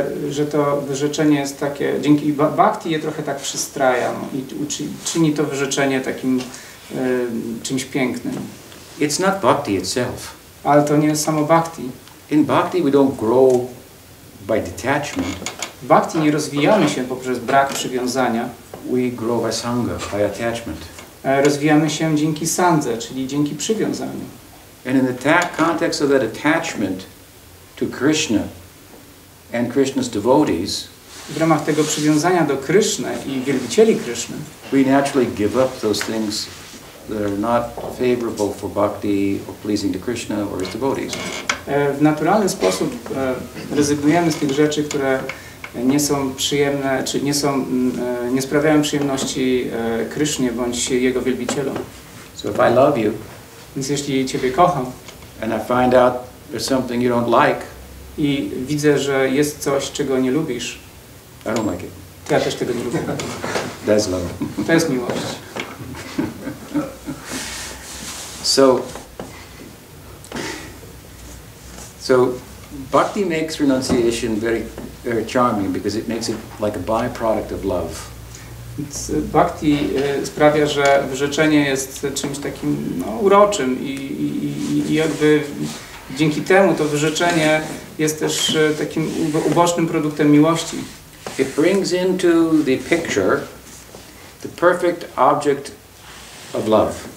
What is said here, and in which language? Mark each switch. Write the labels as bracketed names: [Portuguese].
[Polish] Że to wyrzeczenie jest takie, dzięki bhakti je trochę tak przystraja i czyni to wyrzeczenie takim czymś pięknym. [English] It's not bhakti itself. [Polish] Ale to nie jest samo bhakti. [English] In bhakti we don't grow by detachment. [Polish] W bhakti nie rozwijamy się poprzez brak przywiązania. [English] We grow by sangha, by attachment. [Polish] Rozwijamy się dzięki sandze, czyli dzięki przywiązaniu. [English] And in the context of that attachment to Krishna and Krishna's devotees, [Polish] w ramach tego przywiązania do Krishna i wielbicieli Krishna, [English] we naturally give up those things that are not favorable for bhakti or pleasing to Krishna or his devotees. [Polish] W naturalny sposób rezygnujemy z tych rzeczy, które nie są przyjemne, czy nie sprawiają przyjemności Krishnie bądź jego wielbicielom. [English] So if I love you, [Polish] więc jeśli ciebie kocham, [English] and I find out there's something you don't like, [Polish] i widzę, że jest coś, czego nie lubisz, [English] I don't like it. [Polish] Ja też tego nie lubię. [English] That's love. [Polish] To jest miłość. [English] So bhakti makes renunciation very, very charming because it makes it like a byproduct of love. [Polish] Bhakti sprawia, że wyrzeczenie jest czymś takim uroczym i jakby dzięki temu to wyrzeczenie jest też takim ubocznym produktem miłości. [English] It brings into the picture the perfect object of love.